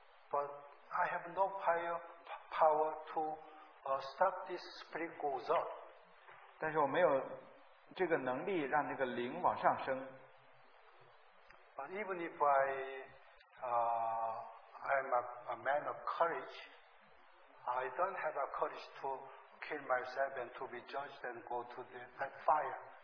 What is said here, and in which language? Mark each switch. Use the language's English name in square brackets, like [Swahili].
[English] But I have no power to stop this spirit goes up. [Chinese] 但是我没有这个能力让这个灵往上升。 [English] But even if I'm a man of courage, I don't have a courage to kill myself and to be judged and go to that fire.